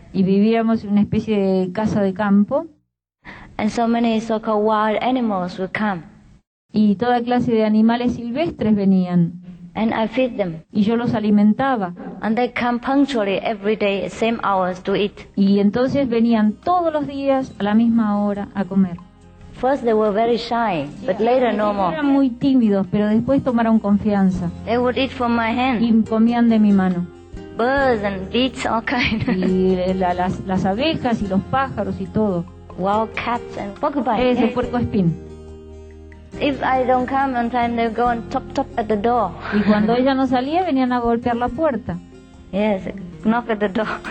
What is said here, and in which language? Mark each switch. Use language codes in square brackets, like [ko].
[es] Y vivíamos en una especie de casa de campo. [en] And so many so-called wild animals would come. [es] Y toda clase de animales silvestres venían. [en] And I feed them. [es] Y yo los alimentaba. [en] And they come punctually every day, same hours to eat. [es] Y entonces venían todos los días a la misma hora a comer. [en] First they were very shy, but later no more. [es] Eran muy tímidos, pero después tomaron confianza. [en] They would eat from my hand. [es] Y comían de mi mano. [en] Birds and bees, all kinds. [es] Y las abejas y los pájaros y todo. [en] Wild cats and porcupine. [es] Ese puerco espín. [en] If I don't come on time, they go and top top at the door. [es] Y cuando ella no salía, venían a golpear la puerta. [en] Yes, knock at the door.